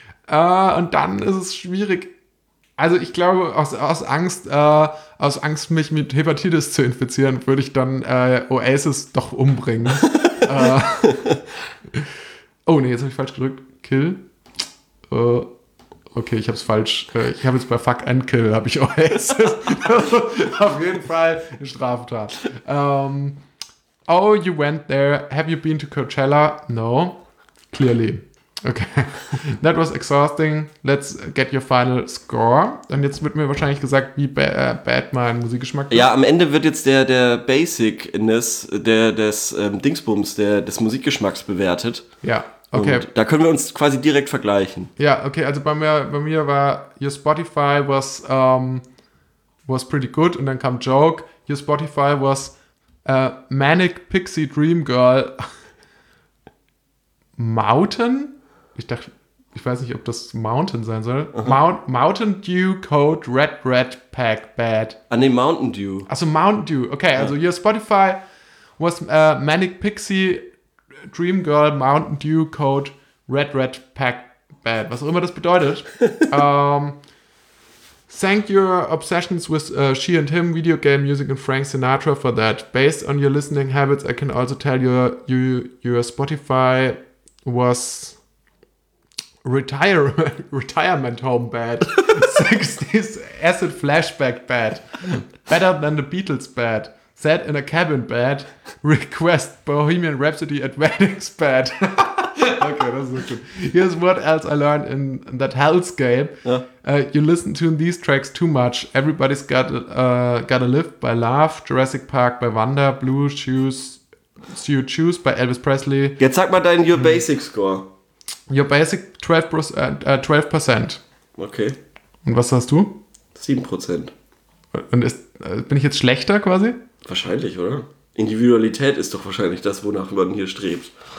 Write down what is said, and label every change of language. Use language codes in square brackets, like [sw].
[de] Und dann ist es schwierig. Also ich glaube, aus Angst, mich mit Hepatitis zu infizieren, würde ich dann Oasis doch umbringen. jetzt habe ich falsch gedrückt. Kill. Okay, ich habe es falsch. Ich habe jetzt bei Fuck and Kill habe ich Oasis. Auf jeden Fall eine Straftat. [en] You went there. Have you been to Coachella? No. Clearly. Okay, that was exhausting. Let's get your final score. [de] Und jetzt wird mir wahrscheinlich gesagt, wie bad mein Musikgeschmack ist. Ja, am Ende wird jetzt der Basic-ness des Musikgeschmacks bewertet. Ja, okay. Und da können wir uns quasi direkt vergleichen. Ja, okay, also bei mir war [en] your Spotify was pretty good, [de] und dann kam Joke. [en] Your Spotify was Manic Pixie Dream Girl Mountain? [de] Ich dachte, ich weiß nicht, ob das Mountain sein soll. [en] Mountain Dew Code Red Red Pack Bad. [de] An den Mountain Dew. Also Mountain Dew. Okay, ja. Also [en] your Spotify was Manic Pixie Dream Girl Mountain Dew Code Red Red Pack Bad. [de] Was auch immer das bedeutet. [en] Thank your obsessions with She and Him video game music and Frank Sinatra for that. Based on your listening habits, I can also tell your Spotify was... Retirement home bad. 60s acid flashback bad. Better than the Beatles bad. Sat in a cabin bad. Request Bohemian Rhapsody at weddings bad. [de] Okay, das ist so gut. [en] Here's what else I learned in that hellscape. [de] Ja. [en] You listen to these tracks too much. Everybody's got a lift by Love. Jurassic Park by Wanda. Blue Shoes. See You Choose by Elvis Presley. [de] Jetzt sag mal deinen [en] Your Basic Score. Your basic 12%. Okay. [de] Und was hast du? 7%. Und bin ich jetzt schlechter quasi? Wahrscheinlich, oder? Individualität ist doch wahrscheinlich das, wonach man hier strebt.